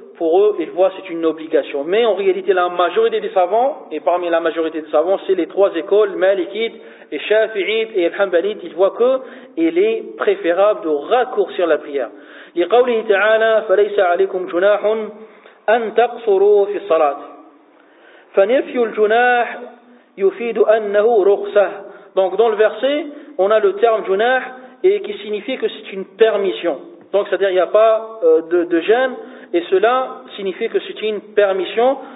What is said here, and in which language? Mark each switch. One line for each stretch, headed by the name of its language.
French: pour eux, ils voient que c'est une obligation. Mais en réalité, la majorité des savants, et parmi la majorité des savants, c'est les trois écoles, Malikite, et Shafi'ite et Al-Hanbalite, ils voient qu'il est préférable de raccourcir la prière.
Arabic: لقوله تعالى فليس عليكم جناح أن تقصروا في الصلاة فنفي الجناح يفيد أنه رخصة.
French: Donc dans le verset on a le terme جناح et qui signifie que c'est une permission, donc c'est à dire il n'y a pas de gêne et cela signifie que c'est une permission.